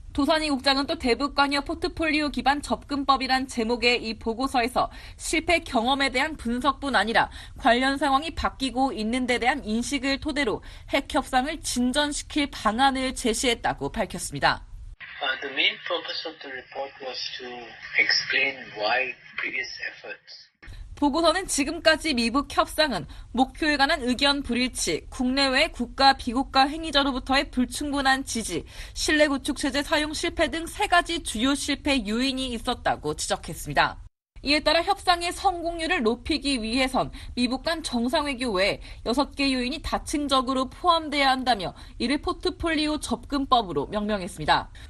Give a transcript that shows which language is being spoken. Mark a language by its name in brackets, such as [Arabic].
[Korean] 도사니 국장은 또 대북관여 포트폴리오 기반 접근법이란 제목의 이 보고서에서 실패 경험에 대한 분석뿐 아니라 관련 상황이 바뀌고 있는 데 대한 인식을 토대로 핵 협상을 진전시킬 방안을 제시했다고 밝혔습니다. [English] The main purpose of the report was to explain why previous efforts. [Korean] 보고서는 지금까지 미북 협상은 목표에 관한 의견 불일치, 국내외 국가, 비국가 행위자로부터의 불충분한 지지, 신뢰 구축 체제 사용 실패 등 세 가지 주요 실패 요인이 있었다고 지적했습니다. 이에 따라 협상의 성공률을 높이기 위해선 미북 간 정상회교 외에 6개 요인이 다층적으로 포함돼야 한다며 이를 포트폴리오 접근법으로 명명했습니다.